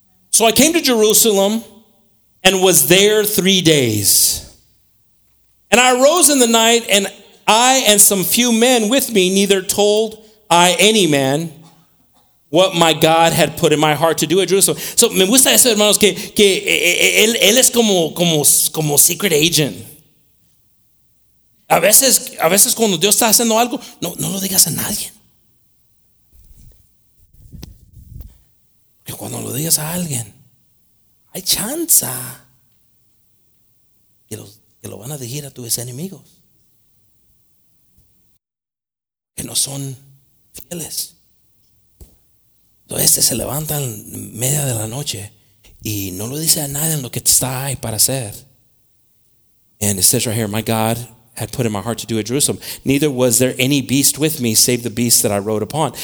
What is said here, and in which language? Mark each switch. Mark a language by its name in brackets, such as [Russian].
[English] So I came to Jerusalem and was there 3 days. And I arose in the night, and I and some few men with me, neither told I any man what my God had put in my heart to do at Jerusalem. [Spanish] So me gusta eso, hermanos, que él es como [English] secret agent. [Spanish] A veces cuando Dios está haciendo algo, no lo digas a nadie. Que cuando lo digas a alguien, hay chance que lo van a decir a tus enemigos. Que no son fieles. Entonces se levanta en media de la noche y no lo dice a nadie en lo que está ahí para hacer. [English] And it says right here, my God had put in my heart to do at Jerusalem. Neither was there any beast with me save the beast that I rode upon.